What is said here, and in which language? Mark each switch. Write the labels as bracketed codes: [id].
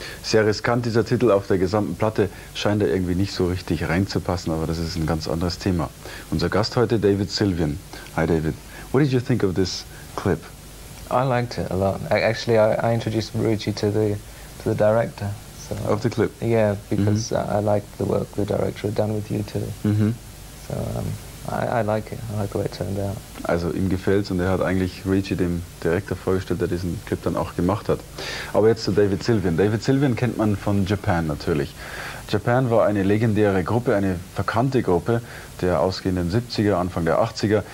[de] Sehr riskant, dieser Titel auf der gesamten Platte, scheint da irgendwie nicht so richtig reinzupassen, aber das ist ein ganz anderes Thema. Unser Gast heute, David Sylvian. [en] Hi David, what did you think of this clip? I liked it a lot. I introduced Ruichy to the director. So. Of the clip? Yeah, because mm-hmm. I liked the work the director had done with you too. Mm-hmm. So I like it, I like the way it turned out. [de] Also ihm gefällt's und er hat eigentlich Ruichy dem Direktor vorgestellt, der diesen Clip dann auch gemacht hat. Aber jetzt zu David Sylvian. David Sylvian kennt man von Japan natürlich. Japan war eine legendäre Gruppe, eine verkannte Gruppe der ausgehenden 70er, Anfang der 80er.